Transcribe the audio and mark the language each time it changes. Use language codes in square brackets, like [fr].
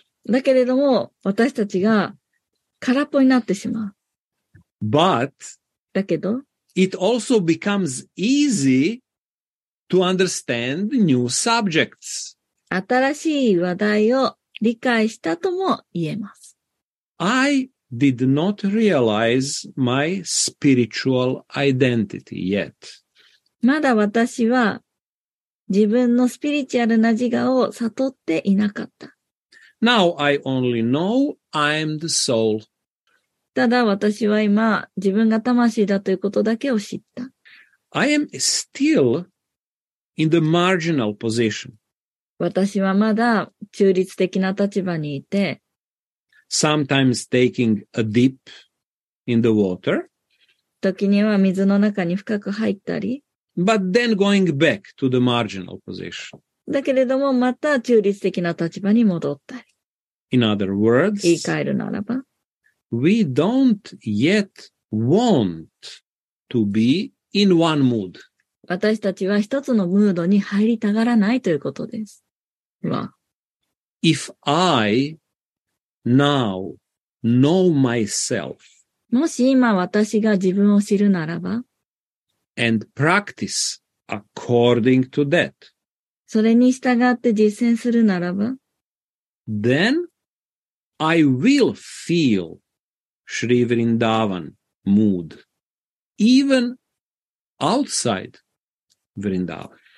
[ja] だけれども私たちが空っぽになってしまう。 [en] But [ja] だけど [en] It also becomes easy to understand new subjects. [ja] 新しい話題を理解したとも言えます。 [en] I did not realize my spiritual identity yet. [ja] まだ私は自分のスピリチュアルな自我を悟っていなかった。 [en] Now I only know I am the soul. [ja] ただ私は今自分が魂だということだけを知った。 [en] I am still in the marginal position. [ja] 私はまだ中立的な立場にいて、 [en] Sometimes taking a dip in the water. [ja] 時には水の中に深く入ったり、 [en] But then going back to the marginal position. [ja] だけれどもまた中立的な立場に戻ったり。 [en] In other words, [ja] 言い換えるならば、 [en] We don't yet want to be in one mood. [ja] 私たちは一つのムードに入りたがらないということです。わ。 [en] If I now know myself, [ja] もし今私が自分を知るならば、 [en] and practice according to that, [ja] それに従って実践するならば、 [en] then I will feel Shri Vrindavan mood, even outside Vrindavan.